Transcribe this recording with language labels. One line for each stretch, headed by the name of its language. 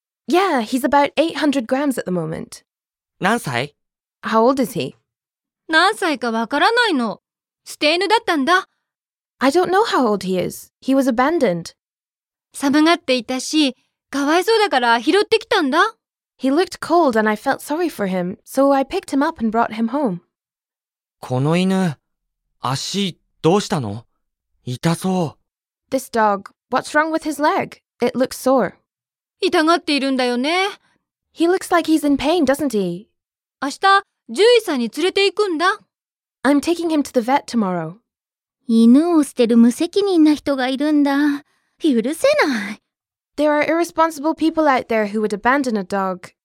English: Yeah, he's about 800 grams at the moment.
Japanese: 何歳？
English: How old is he?
Japanese: 何歳かわからないの。捨て犬だったんだ。
English: I don't know how old he is. He was abandoned.
Japanese: 寒がっていたし、かわいそうだから拾ってきたんだ。
English: He looked cold and I felt sorry for him, so I picked him up and brought him home.
Japanese: この犬、足どうしたの？痛そう。
English: This dog, what's wrong with his leg? It looks sore.
Japanese: 痛がっているんだよね。
English: He looks like he's in pain, doesn't he?
Japanese: 明日、獣医さんに連れて行くんだ。
English: I'm taking him to the vet tomorrow.
Japanese: 犬を捨てる無責任な人がいるんだ。許せない。
English: There are irresponsible people out there who would abandon a dog.